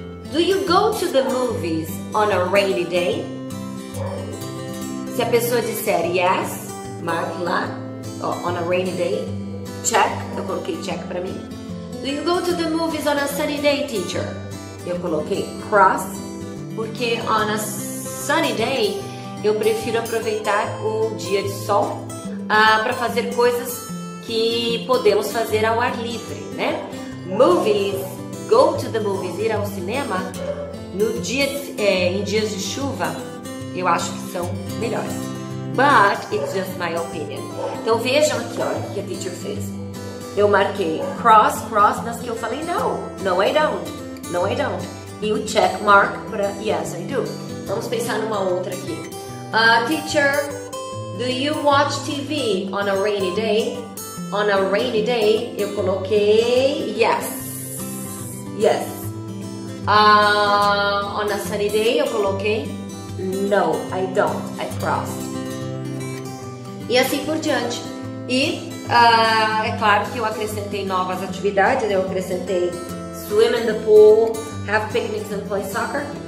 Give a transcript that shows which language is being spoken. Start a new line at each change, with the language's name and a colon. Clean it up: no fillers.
English: Do you go to the movies on a rainy day?
Portuguese: Se a pessoa disser yes, marque lá, ó,
English: on a rainy day, check,
Portuguese: eu coloquei check pra mim.
English: Do you go to the movies on a sunny day, teacher?
Portuguese: Eu coloquei cross, porque
English: on a sunny day,
Portuguese: eu prefiro aproveitar o dia de sol. Para fazer coisas que podemos fazer ao ar livre, né?
English: Movies, go to the movies,
Portuguese: ir ao cinema, no dia, em dias de chuva, eu acho que são melhores.
English: But it's just my opinion.
Portuguese: Então vejam aqui, olha o que a teacher fez. Eu marquei cross, cross, nas que eu falei não,
English: no I don't, no I don't.
Portuguese: E o check mark para
English: yes I do.
Portuguese: Vamos pensar numa outra aqui.
English: Teacher, do you watch TV on a rainy day? On a rainy day,
Portuguese: eu coloquei
English: yes. Yes. On a sunny day,
Portuguese: eu coloquei
English: no, I don't. I crossed.
Portuguese: E assim por diante. E é claro que eu acrescentei novas atividades. Eu acrescentei
English: swim in the pool, have picnics and play soccer.